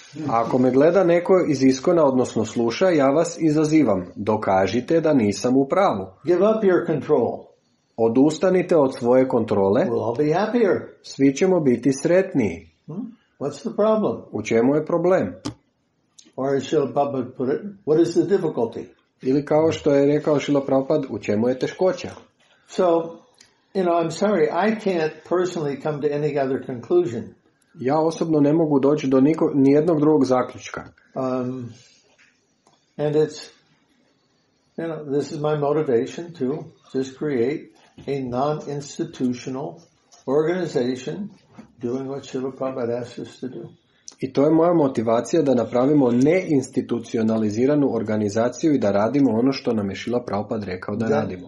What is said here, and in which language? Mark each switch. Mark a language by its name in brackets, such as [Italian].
[Croatian] Ako me gleda neko iz ISKCON-a, odnosno sluša, ja vas izazivam. Dokažite da nisam u pravu. [English] Give up your control. [Croatian] Odustanite od svoje kontrole. [English] We'll all be happier. [Croatian] Svi ćemo biti sretniji. [English] What's the problem? [Croatian] U čemu je problem? [English] Or as Srila Prabhupada put it, what is the difficulty? [Croatian] Ili kao što je rekao Srila Prabhupada, u čemu je teškoća? [English] So, you know, I'm sorry, I can't personally come to any other conclusion. [Croatian] Ja osobno ne mogu doći do nijednog drugog zaključka. [English] And it's, you know, this is my motivation to just create a non-institutional organization doing what Srila Prabhupada asked us to do. [Croatian] I to je moja motivacija da napravimo neinstitucionaliziranu organizaciju i da radimo ono što nam je Srila Prabhupada rekao da radimo.